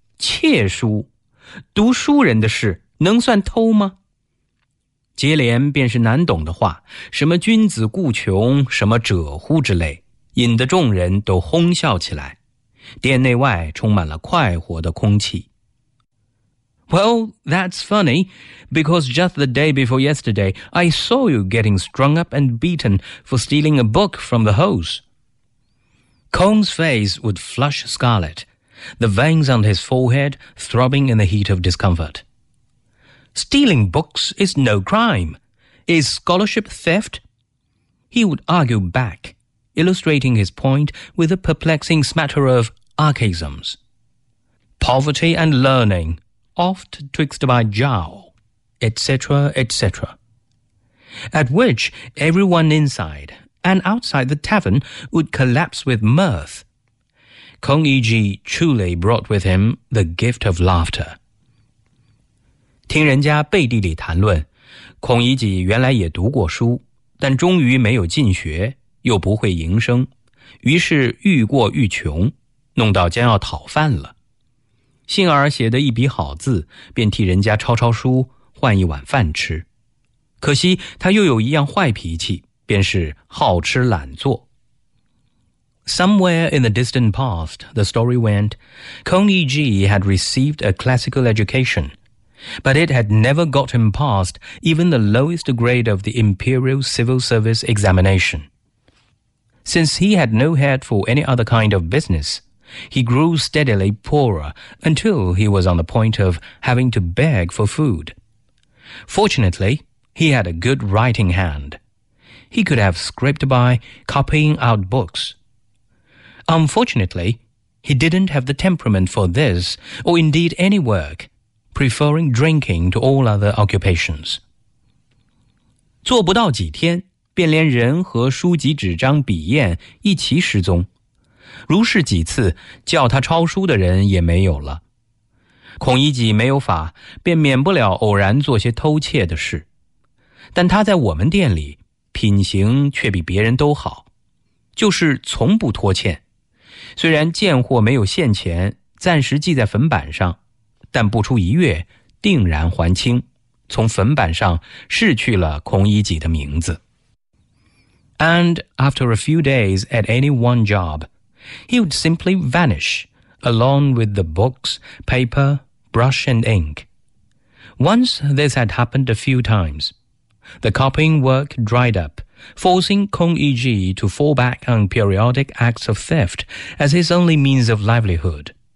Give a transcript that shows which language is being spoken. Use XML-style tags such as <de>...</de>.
<zh>窃书，读书人的事能算偷吗？接连便是难懂的话，什么君子固穷，什么者乎之类，引得众人都哄笑起来，店内外充满了快活的空气。</zh> <en>Well, that's funny, because just the day before yesterday, I saw you getting strung up and beaten for stealing a book from the hose. Kong's face would flush scarlet. The veins on his forehead throbbing in the heat of discomfort. Stealing books is no crime. Is scholarship theft? He would argue back, illustrating his point with a perplexing smatter of archaisms. Poverty and learning, oft twixt by jowl, etc., etc. At which everyone inside and outside the tavern would collapse with mirth, Kong Yiji truly brought with him the gift of laughter.</en> <zh>听人家背地里谈论，孔乙己原来也读过书，但终于没有进学，又不会营生，于是愈过愈穷，弄到将要讨饭了。幸而写得一笔好字，便替人家抄抄书，换一碗饭吃。可惜他又有一样坏脾气，便是好吃懒做。</zh> <en>Somewhere in the distant past, the story went, Kong Yiji had received a classical education, but it had never got him past even the lowest grade of the Imperial Civil Service examination. Since he had no head for any other kind of business, he grew steadily poorer until he was on the point of having to beg for food. Fortunately, he had a good writing hand. He could have scraped by copying out books,Unfortunately, he didn't have the temperament for this, or indeed any work, preferring drinking to all other occupations.</en> <zh>做不到几天，便连人和书籍纸张笔砚一起失踪。如是几次，叫他抄书的人也没有了。孔乙己没有法，便免不了偶然做些偷窃的事。但他在我们店里，品行却比别人都好，就是从不拖欠。虽然贱货没有现钱，暂时记在粉板上，但不出一月，定然还清，从粉板上拭去了孔乙己的名字。</zh> <en>And after a few days at any one job, he would simply vanish, along with the books, paper, brush and ink. Once this had happened a few times, the copying work dried up, forcing Kong Yiji to fall back on periodic acts of theft as his only means of livelihood.</en>